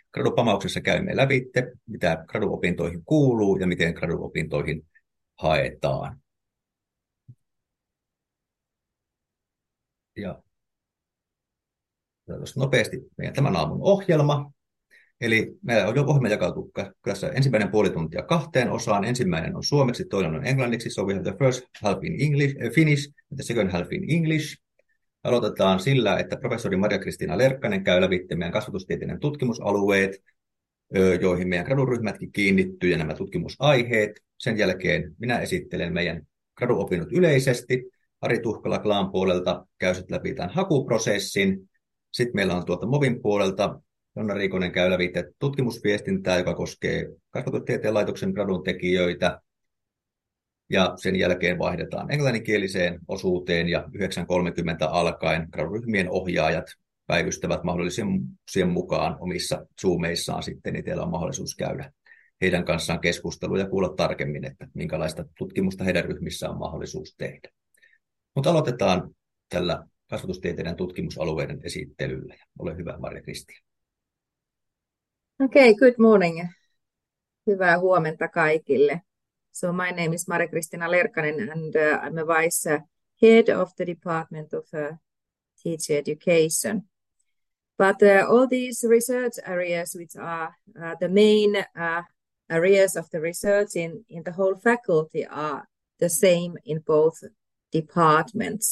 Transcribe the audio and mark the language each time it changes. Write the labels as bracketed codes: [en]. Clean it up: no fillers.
[fi] Gradupamauksessa käymme lävitte, mitä graduopintoihin kuuluu ja miten graduopintoihin haetaan. Ja nopeasti meidän tämän aamun ohjelma. Eli meillä on jo ohjelma jakautu tässä ensimmäinen puoli tuntia kahteen osaan. Ensimmäinen on suomeksi, toinen on englanniksi. [en] So we have the first half in English, Finnish and the second half in English. [fi] Aloitetaan sillä, että professori Maria-Kristiina Lerkkanen käy läpi meidän kasvatustieteiden tutkimusalueet, joihin meidän graduryhmätkin kiinnittyy ja nämä tutkimusaiheet. Sen jälkeen minä esittelen meidän graduopinnot yleisesti. Ari Tuhkala Klaan puolelta käy sitten läpi tämän hakuprosessin. Sitten meillä on tuolta MOVin puolelta Jonna Riikonen käy läpi tutkimusviestintää, joka koskee kasvatustieteen laitoksen graduntekijöitä. Ja sen jälkeen vaihdetaan englanninkieliseen osuuteen ja 9.30 alkaen graduryhmien ohjaajat päivystävät mahdollisuuksien mukaan omissa zoomeissaan sitten. Itsellä on mahdollisuus käydä heidän kanssaan keskustelua ja kuulla tarkemmin, että minkälaista tutkimusta heidän ryhmissä on mahdollisuus tehdä. Mutta aloitetaan tällä kasvatustieteiden tutkimusalueiden esittelyllä. Ole hyvä, Maria-Kristiina. [en] Okay, good morning. [fi] Hyvää huomenta kaikille. [en] So my name is Maria-Kristiina Lerkkanen and I'm a vice head of the Department of Teacher Education. But all these research areas, which are the main areas of the research in the whole faculty, are the same in both departments.